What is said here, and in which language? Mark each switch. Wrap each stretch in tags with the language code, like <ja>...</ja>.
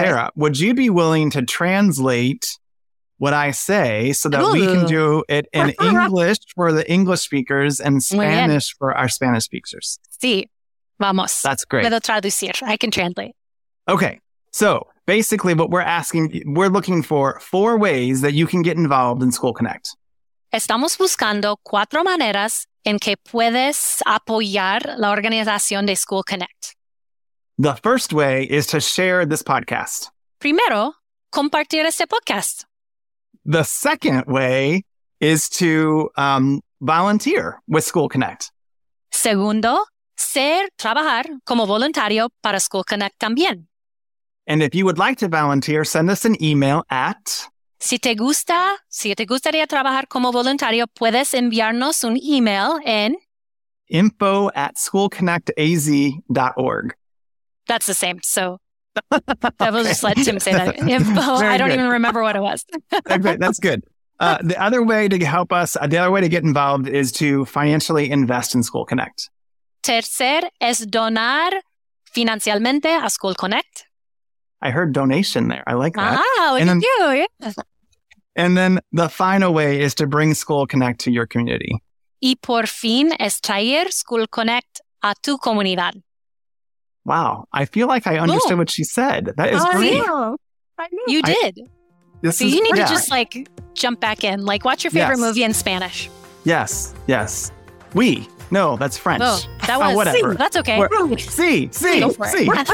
<en>Sara, would you be willing to translate what I say so that we can do it in English for the English speakers and Spanish for our Spanish speakers?</en> <es>Sí, vamos.</es> <en>That's great.</en> <es>Puedo traducir.</es> <en>I can translate. Okay. So basically what we're asking, we're looking for four ways that you can get involved in School Connect.</en> <es>Estamos buscando cuatro maneras en que puedes apoyar la organización de School Connect.</es> <en>The first way is to share this podcast.</en> <es>Primero, compartir este podcast.</es> <en>The second way is to volunteer with School Connect.</en> <es>Segundo, trabajar como voluntario para School Connect también.</es> <en>And if you would like to volunteer, send us an email at...</en> <es>Si te gustaría trabajar como voluntario, puedes enviarnos un email en...</es> <en>info@schoolconnectaz.org. That's the same, so... Okay. I will just let Tim say that. I don't even remember what it was. Okay, that's good. The other way to get involved is to financially invest in School Connect.</en> <es>Tercer es donar financialmente a School Connect.</es> <en>I heard donation there. I like that. Ah, look at you. And then the final way is to bring School Connect to your community.</en> <es>Y por fin es traer School Connect a tu comunidad.</es> <en>Wow. I feel like I understood what she said. That is great. Yeah. I did. To just like jump back in. Like watch your favorite movie in Spanish. Yes. Yes. Oui. No, that's French. Whatever. Si. That's okay.</en> <es>Si.</es>